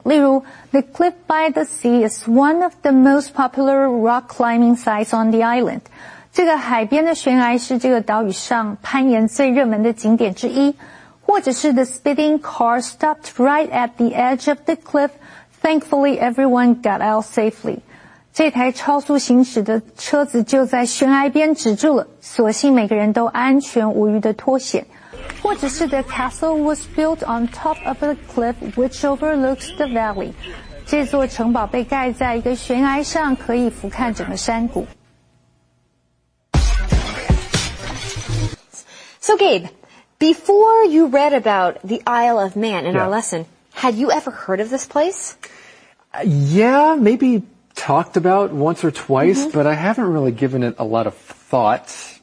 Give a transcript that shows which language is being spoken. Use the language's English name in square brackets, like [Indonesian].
[Chinese] 例如 [English] ，The cliff by the sea is one of the most popular rock climbing sites on the island。 [Chinese] 这个海边的悬崖是这个岛屿上攀岩最热门的景点之一。或者是 [English] The speeding car stopped right at the edge of the cliff. Thankfully, everyone got out safely. [Chinese] 这台超速行驶的车子就在悬崖边止住了，所幸每个人都安全无虞的脱险。或者是 [English] The castle was built on top of a cliff which overlooks the valley. [Chinese] 这座城堡被盖在一个悬崖上，可以俯瞰整个山谷。 [English] So Gabe, before you read about the Isle of Man in our lesson, had you ever heard of this place? Yeah, maybe talked about once or twice, but I haven't really given it a lot of thought.